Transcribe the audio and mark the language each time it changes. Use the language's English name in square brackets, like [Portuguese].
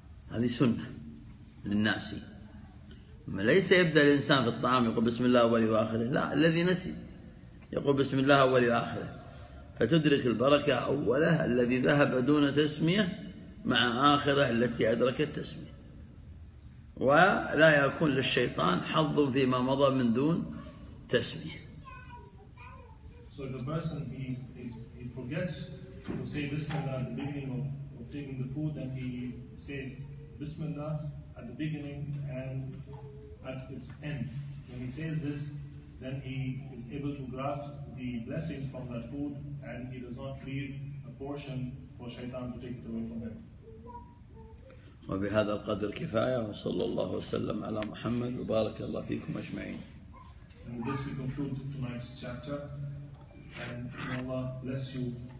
[Arabic] هذه سنة للناس. ليس يبدأ الإنسان في الطعام يقول بسم الله أوله وآخره، لا، الذي نسي يقول بسم الله أوله وآخره، فتدرك البركة أوله الذي ذهب دون تسمية مع آخره التي أدركت التسمية، ولا يكون للشيطان حظ فيما مضى من دون تسمية. [English] So the person he forgets to say Bismillah at the beginning of taking the food, then he says Bismillah at the beginning and at its end. When he says this, then he is able to grasp the blessings from that food, and he does not leave a portion for Shaitan to take it away from him. [Arabic] وبهذا القدر كفاية وصلى الله وسلم على محمد وبارك الله فيكم أجمعين. [English] And with this we conclude tonight's chapter, and may Allah bless you.